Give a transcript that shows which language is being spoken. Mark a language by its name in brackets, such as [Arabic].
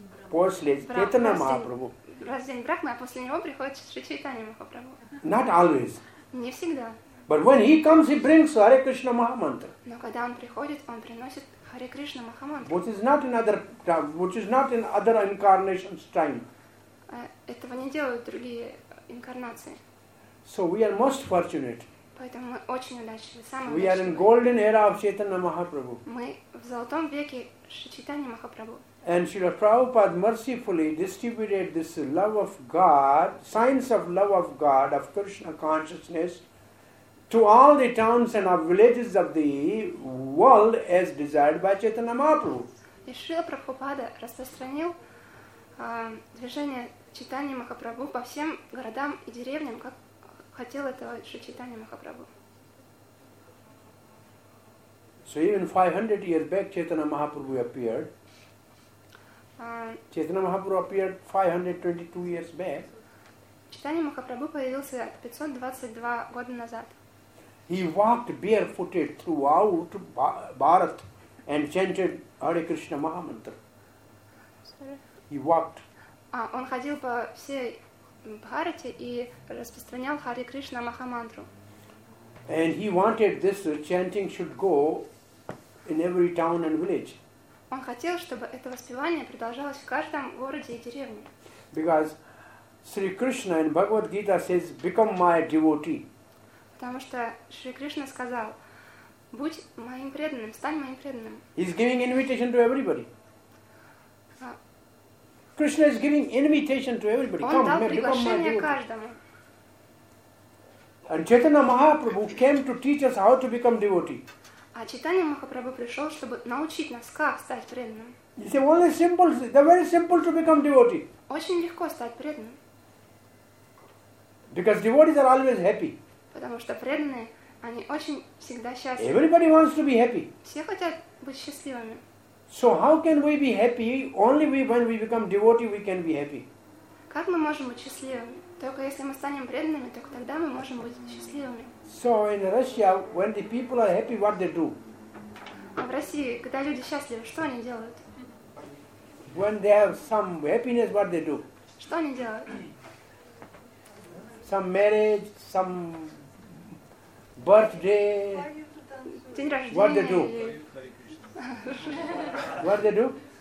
[Russian] После Чайтанья Махапрабху. Раз в день Брахмы, а после него приходит Шри Чайтанья Махапрабху. [English] Not always. [Russian] Не всегда. [English] But when he comes, he brings Hare Krishna Mahamantra. [Russian] Но когда он приходит, он приносит Hare Krishna Mahamantra. [English] Which is not in other incarnations time. [Russian] Этого не делают другие инкарнации. [English] So we are most fortunate. [Russian] Поэтому мы очень удачливы, самые удачные. [English] We are in golden era of Chaitanya Mahaprabhu. [Russian] Мы в золотом веке Шри Чайтанья Махапрабху. [English] And Srila Prabhupada mercifully distributed this love of God, signs of love of God, of Krishna consciousness, to all the towns and of villages of the world as desired by Chaitanya Mahaprabhu. [Russian] И Шрила Прабхупада распространил движение Чайтанья Махапрабху по всем городам и деревням, как хотел этого Шри Чайтанья Махапрабху. [English] So even 500 years back Chaitanya Mahaprabhu appeared. Chaitanya Mahaprabhu appeared 522 years back. [Russian] Чайтанья Махапрабху появился 522 года назад. [English] He walked barefooted throughout Bharat and chanted Hare Krishna Mahamantra. Sorry. He walked. [Russian] Он ходил по всей Бхарате и распространял Хари Кришна Махамантру. [English] And he wanted this chanting should go in every town and village. [Russian] Он хотел, чтобы это воспевание продолжалось в каждом городе и деревне. [English] Because Sri Krishna in Bhagavad Gita says, become my devotee. [Russian] Потому что Шри Кришна сказал, будь моим преданным, стань моим преданным. [English] He's giving invitation to everybody. Krishna is giving invitation to everybody. [Russian] Он дал приглашение каждому. [English] And Chaitanya Mahaprabhu came to teach us how to become devotee. [Russian] А Чайтанья Махапрабху пришел, чтобы научить нас, как стать преданным. [English] It's only simple. They're very simple to become devotee. [Russian] Очень легко стать преданным. [English] Because devotees are always happy. [Russian] Потому что преданные, Они очень всегда счастливы. [English] Everybody wants to be happy. [Russian] Все хотят быть счастливыми. [English] So how can we be happy? Only when we become devotee we can be happy. [Russian] Как мы можем быть счастливыми? Только если мы станем преданными, только тогда мы можем быть счастливыми. [English] So in Russia, when the people are happy, what they do? [Russian] А в России, когда люди счастливы, что они делают? [English] When they have some happiness, what they do? [Russian] Что они делают? [English] Some marriage, some birthday. [Russian] День рождения. [English] What they do? What they do?